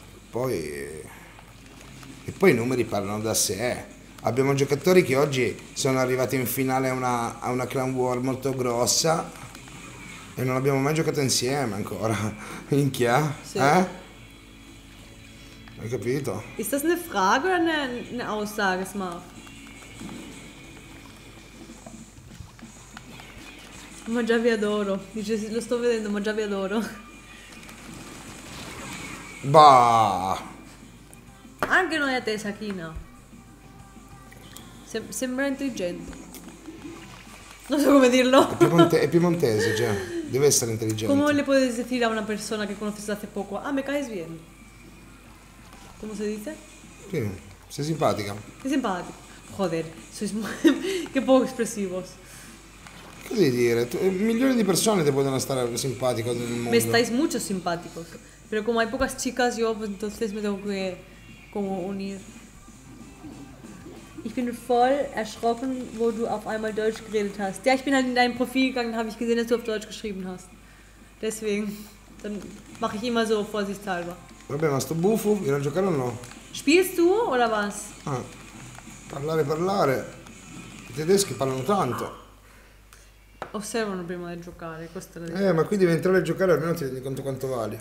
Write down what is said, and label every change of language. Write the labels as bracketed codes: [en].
[it] Poi... e poi i numeri parlano da sé. Abbiamo giocatori che oggi sono arrivati in finale a una clan war molto grossa e non abbiamo mai giocato insieme ancora. Minchia, sì. Eh? Hai capito? [de] Ist das eine Frage oder eine Aussage, Smart? [it] Ma già vi adoro. Dice, lo sto vedendo, ma già vi adoro. Bah! Anche noi a te, Sakina. Sembra intelligente. Non so come dirlo. È piemontese, già. Deve essere intelligente. Come le puoi dire a una persona che conosci da poco? Ah, [es] me caes bien. [it] Come si dice? Sì, sei simpatica. Sei simpatica. [es] Joder, sois [it] che poco espressivo. Che devi dire? Milioni di persone ti possono stare simpatico nel mondo. Me stai molto simpatico. Però come hai [es] pocas chicas, [it] io [es] entonces [it] me devo che... come unir. [de] Ich bin voll erschrocken, wo du auf einmal Deutsch geredet hast. Ja, ich bin halt in dein Profil gegangen, habe ich gesehen, dass du auf Deutsch geschrieben hast. Deswegen, dann mache ich immer so vorsichtshalber. [it] Vabbè, ma sto bufu, io non giocare o no? [de] Spielst du oder was? [it] Ah, parlare, parlare. I tedeschi parlano tanto. Osservano prima di giocare, questa è la differenza. Ma qui devi entrare a giocare, almeno ti rendi conto quanto vali.